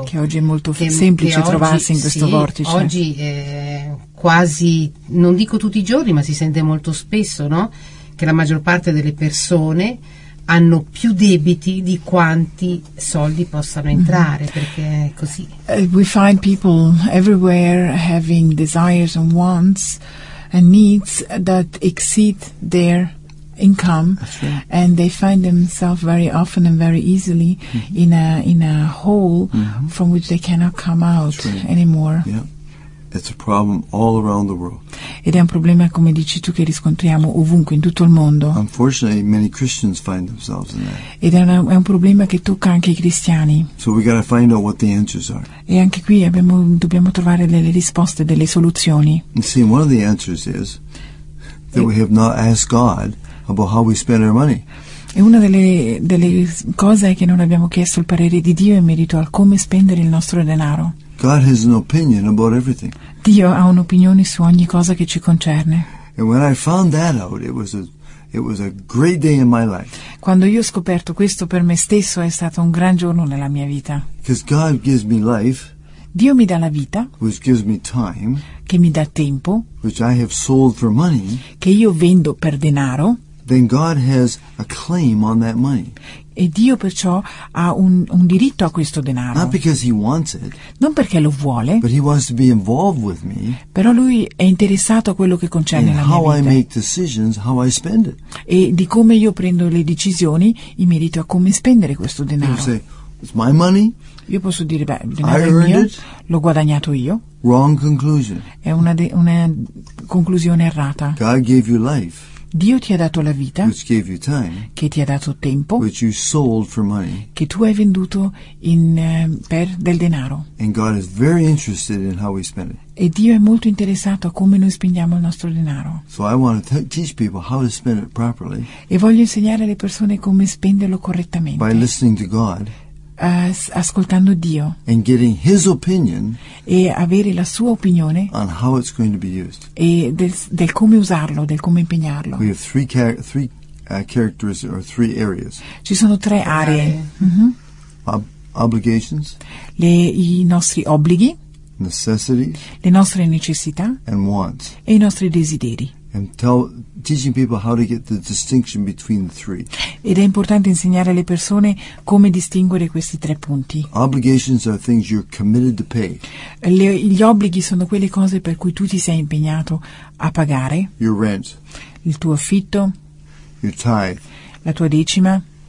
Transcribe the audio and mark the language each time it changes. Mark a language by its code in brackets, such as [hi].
[it] Che oggi è molto semplice oggi, trovarsi in questo sì, vortice. Oggi quasi, non dico tutti i giorni, ma si sente molto spesso, no? Che la maggior parte delle persone hanno più debiti di quanti soldi possano entrare, perché è così. [en] We find people everywhere having desires and wants and needs that exceed their income, and they find themselves very often and very easily mm-hmm. in a hole mm-hmm. from which they cannot come out anymore. Yeah, it's a problem all around the world. [it] Ed è un problema, come dici tu, che riscontriamo ovunque in tutto il mondo. [en] Unfortunately, many Christians find themselves in that. [it] Ed è un problema che tocca anche i cristiani. [en] So we gotta find out what the answers are. [it] E anche qui dobbiamo trovare delle risposte, delle soluzioni. [en] And see, one of the answers is that we have not asked God about how we spend our money. [it] E una delle cose è che non abbiamo chiesto il parere di Dio in merito al come spendere il nostro denaro. [en] God has an opinion about everything. [it] Dio ha un'opinione su ogni cosa che ci concerne. [en] And when I found that out, it was a great day in my life. [it] Quando io ho scoperto questo per me stesso, è stato un gran giorno nella mia vita. [en] Because God gives me life. [it] Dio mi dà la vita, [en] which gives me time, [it] che mi dà tempo, [en] which I have sold for money, [it] che io vendo per denaro, [en] then God has a claim on that money. [it] E Dio perciò ha un diritto a questo denaro. [en] Not because he wants it, [it] non perché lo vuole, [en] but he wants to be involved with me, [it] però lui è interessato a quello che concerne la mia [en] how [it] vita. [en] I make decisions, how I spend it. [it] E di come io prendo le decisioni in merito a come spendere questo denaro. [en] It's my money. [it] Io posso dire, denaro è mio, l'ho guadagnato io. [en] Wrong conclusion. [it] È una conclusione errata. [en] God gave you life. [it] Dio ti ha dato la vita, [en] which gave you time, [it] che ti ha dato tempo, [en] which you sold for money, [it] che tu hai venduto per del denaro. [en] And God is very interested in how we spend it. [it] E Dio è molto interessato a come noi spendiamo il nostro denaro. [en] So I want to teach people how to spend it properly. [it] E voglio insegnare alle persone come spenderlo correttamente. [en] By listening to God. [it] ascoltando Dio, [en] and getting His opinion, [it] e avere la sua opinione, [en] on how it's going to be used, [it] e del come usarlo, del come impegnarlo. [en] We have three characteristics or three areas. [it] Ci sono tre aree. [en] Obligations. [it] I nostri obblighi. [en] Necessities. [it] Le nostre necessità. [en] And wants. [it] E i nostri desideri. [en] And teaching people how to get the distinction between the three. [it] Ed è importante insegnare alle persone come distinguere questi tre punti. [en] Obligations are things you're committed to pay. [it] Gli obblighi sono quelle cose per cui tu ti sei impegnato a pagare. [en] Your rent. [it] Il tuo affitto. [en] Your tithe. [it] La tua decima.